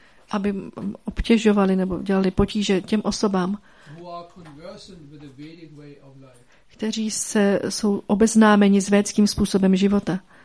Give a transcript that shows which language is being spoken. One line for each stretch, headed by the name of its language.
Czech: aby obtěžovali nebo dělali potíže těm osobám,
English: who are conversant with the Vedic way of life,
Czech: kteří se jsou obeznámeni s védským způsobem života.